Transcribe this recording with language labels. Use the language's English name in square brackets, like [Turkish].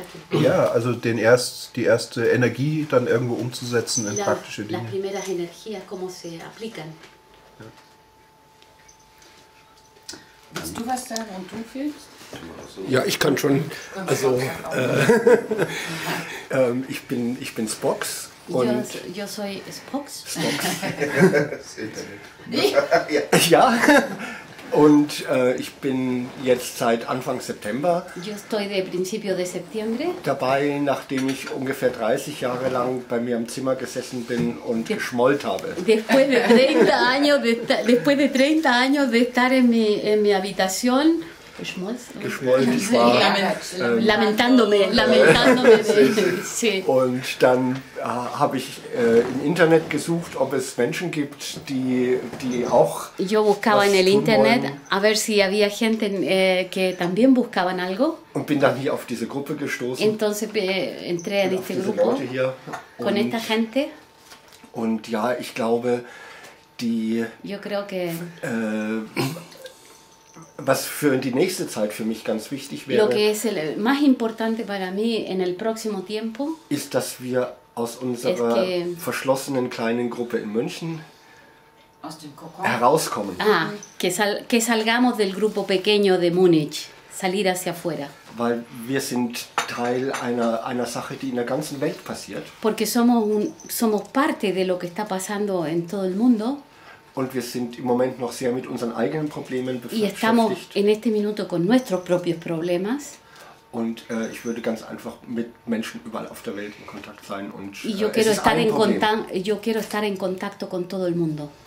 [German] Ja, also die erste Energie dann irgendwo umzusetzen in praktische Dinge. [Spanish] Las primeras energías, cómo se aplican. [German] Ja. Willst du was sagen und du fühlst? Ja, ich kann schon. Also ich bin Spox und [Spanish] yo soy Spox. Spox. [German] Das Internet. Ja. Und ich bin jetzt seit Anfang September. [Spanish] Yo estoy de principio de septiembre. [German] Dabei, nachdem ich ungefähr 30 Jahre lang bei mir im Zimmer gesessen bin und geschmollt habe. [Spanish] Después de 30 años de estar en mi habitación. [German] Geschmollt, ich war [Spanish] lamentándome. [German] Und dann habe ich im Internet gesucht, ob es Menschen gibt, die auch [Spanish] yo buscaba was en el Internet a ver si había gente que también buscaban algo. [German] Und bin dann hier auf diese Gruppe gestoßen. [Spanish] Entonces entré a este grupo con esta gente. [German] Und ja, ich glaube, die [Spanish] yo creo que [German] Was für die nächste Zeit für mich ganz wichtig wäre. [Spanish] Lo que es el más importante para mí en el próximo tiempo. [German] Ist, dass wir aus unserer verschlossenen kleinen Gruppe in München aus dem herauskommen. [Spanish] Ah, que salgamos del grupo pequeño de Múnich, salir hacia afuera. [German] Weil wir sind Teil einer Sache, die in der ganzen Welt passiert. [Spanish] Porque somos parte de lo que está pasando en todo el mundo. [German] Und wir sind im Moment noch sehr mit unseren eigenen Problemen beschäftigt. [Spanish] Y estamos en este minuto con nuestros propios problemas. [German] Und ich würde ganz einfach mit Menschen überall auf der Welt in Kontakt sein und [Spanish] yo quiero estar en contacto con todo el mundo.